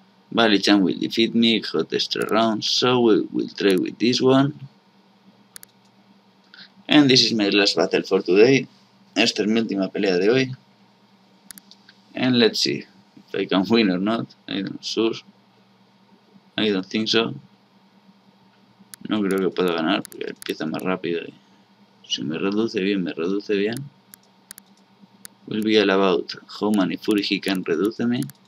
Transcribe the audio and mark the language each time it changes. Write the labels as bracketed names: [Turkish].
[English] Bali-chan will defeat me, got extra rounds. So we will try with this one. And this is my last battle for today. [Spanish] Esta es mi última pelea de hoy. [English] And let's see if I can win or not. I don't think so. [Spanish] No creo que pueda ganar porque empieza más rápido. Si me reduce bien, me reduce bien. [English] Will be all about how many fury he can reduce me.